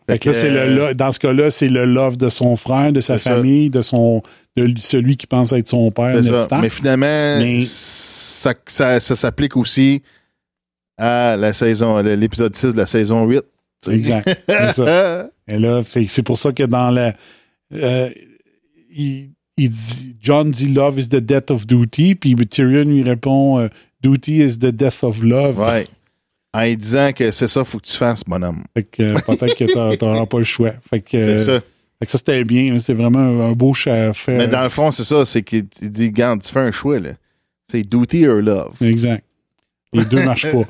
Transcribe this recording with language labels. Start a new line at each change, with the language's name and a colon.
French: Fait que là, c'est dans ce cas-là, c'est le love de son frère, de sa famille, ça. De celui qui pense être son père, c'est ça. Mais finalement, ça s'applique aussi à la saison, l'épisode 6 de la saison 8. Exact. C'est ça. Et là, c'est pour ça que dans la. John dit
English: Love is the death of duty.
French: Puis Tyrion lui répond
English: Duty is the death of love.
French: Ouais. En lui disant que c'est ça, faut que tu fasses, bonhomme. Fait que peut-être que tu n'auras pas le choix. Fait que, c'est ça. Fait que ça, c'était bien. C'est vraiment un beau choix à faire. Mais dans le fond, c'est ça. C'est qu'il dit garde, tu fais un choix. Là. C'est
English: duty or love.
French: Exact. Les deux marchent pas.